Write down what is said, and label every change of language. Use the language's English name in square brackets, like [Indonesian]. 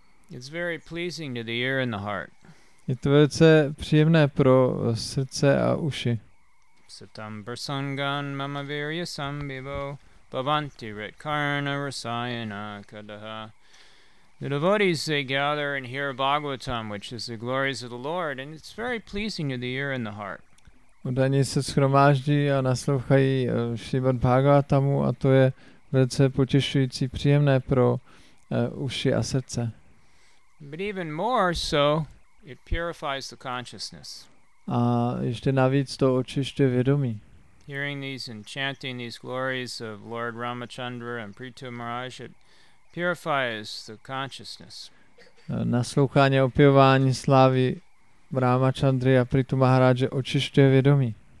[English] It's very pleasing to the ear and the heart. [Czech] Je to velice příjemné pro srdce a uši. [Sanskrit] Satam prasangan mama virya sambivo bhavanti ritkarna rasayana kadaha. [English] The devotees, they gather and hear Bhagavatam, which is the glories of the Lord, and it's very pleasing to the ear and the heart. [Czech] Udaní se shromáždí a naslouchají Srimad Bhagavatamu a to je velice potěšující, příjemné pro uši a srdce. [English] But even more so, it purifies the consciousness. [Czech] A ještě navíc to očišťuje vědomí. [English] Hearing these and chanting these glories of Lord Ramachandra and Prithu Maharaj, it purifies the consciousness. [Czech] Naslouchání a opěvování slávy Ramachandry a Prithu Maharaje očišťuje vědomí.